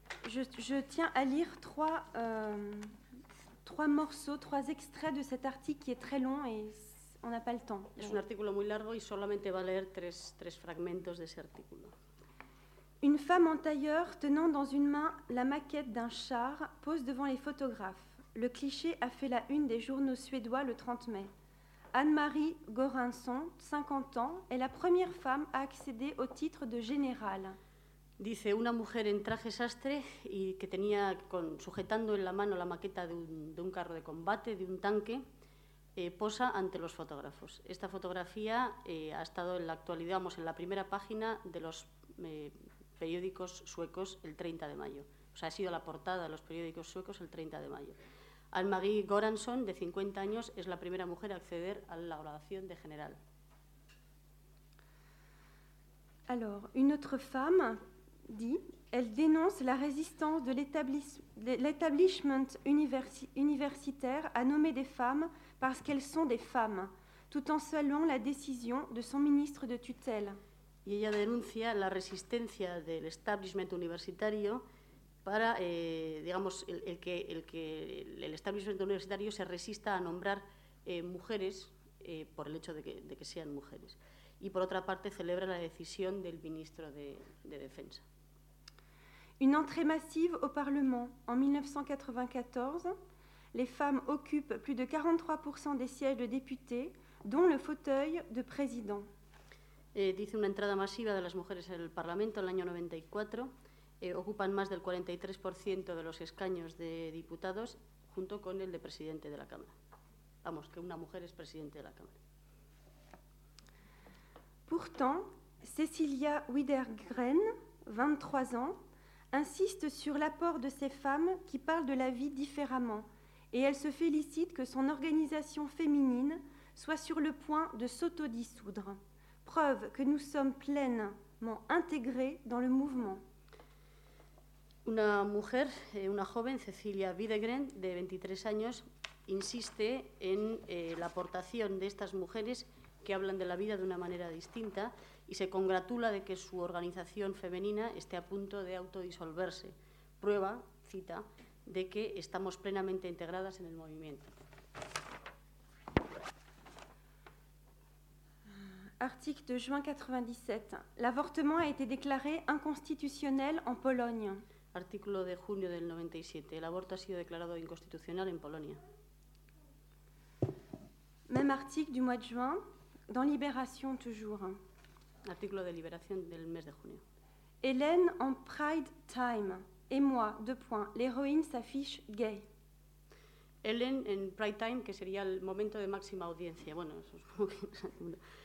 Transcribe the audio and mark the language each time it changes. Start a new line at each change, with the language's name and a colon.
French: Je tiens à lire trois morceaux, trois extraits de cet article qui est très long et on n'a pas le temps.
Spanish: Es un artículo muy largo y solamente va a leer tres fragmentos de ese artículo.
French: Une femme en tailleur tenant dans une main la maquette d'un char pose devant les photographes. Le cliché a fait la une des journaux suédois le 30 mai. Anne-Marie Göransson, 50 ans, est la première femme à accéder au titre de général.
Spanish: Dice una mujer en traje sastre y que tenía sujetando en la mano la maqueta de un carro de combate, de un tanque, posa ante los fotógrafos. Esta fotografía ha estado en la actualidad, vamos, en la primera página de los periódicos suecos el 30 de mayo. O sea, ha sido la portada de los periódicos suecos el 30 de mayo. Anne-Marie Göransson, de 50 años, es la primera mujer a acceder a la graduación de general.
French: Alors, une autre femme dit, elle dénonce la résistance de l'établissement universitaire à nommer des femmes parce qu'elles sont des femmes, tout en saluant la décision de son ministre de tutelle.
Spanish: Y ella denuncia la resistencia del establishment universitario para, digamos, el establishment universitario se resista a nombrar mujeres por el hecho de que sean mujeres. Y por otra parte celebra la decisión del ministro de Defensa.
French: Une entrée massive au Parlement. En 1994, les femmes occupent plus de 43% des sièges de députés, dont le fauteuil de président.
Spanish: Dice una entrada masiva de las mujeres en el Parlamento en el año 94, ocupan más del 43% de los escaños de diputados junto con el de presidente de la Cámara. Vamos, que una mujer es presidente de la Cámara.
French: Pourtant, Cecilia Widergren, 23 ans, insiste sur l'apport de ces femmes qui parlent de la vie différemment et elle se félicite que son organisation féminine soit sur le point de s'autodissoudre. Preuve que nous sommes pleinement intégrés dans le mouvement.
Spanish: Una mujer, una joven, Cecilia Widergren, de 23 años, insiste en la aportación de estas mujeres que hablan de la vida de una manera distinta y se congratula de que su organización femenina esté a punto de autodisolverse. Prueba, cita, de que estamos plenamente integradas en el movimiento.
French: Article de juin 97. L'avortement a été déclaré inconstitutionnel en Pologne.
Spanish: Artículo de junio del 97. El aborto ha sido declarado inconstitucional en Polonia.
French: Même article du mois de juin, dans Libération toujours.
Spanish: Artículo de Libération del mes de junio.
French: Hélène en Pride Time. Et moi, deux points. L'héroïne s'affiche gay.
Spanish: Hélène en Pride Time, que sería el momento de máxima audiencia. Bueno, eso supongo que es alguna.